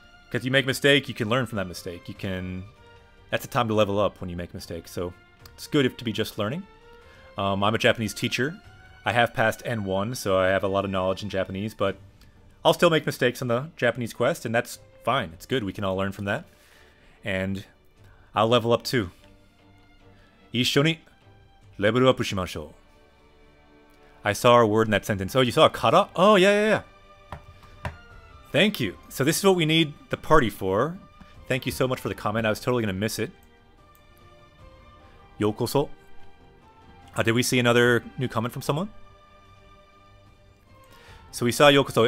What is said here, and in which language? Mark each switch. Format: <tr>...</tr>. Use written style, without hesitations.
<en>Because you make a mistake, you can learn from that mistake. You can... That's the time to level up when you make mistakes, so it's good to be just learning. I'm a Japanese teacher. I have passed N1, so I have a lot of knowledge in Japanese, but I'll still make mistakes on the Japanese Quest, and that's fine. It's good. We can all learn from that. And I'll level up too.</en> <ja>一緒にレベルアップしましょう。</ja> <en>I saw a word in that sentence. Oh, you saw a kata? Oh, yeah. Thank you. So this is what we need the party for. Thank you so much for the comment. I was totally going to miss it.</en> <ja>ようこそ。</ja> <en>Did we see another new comment from someone? So we saw Yokoso.</en>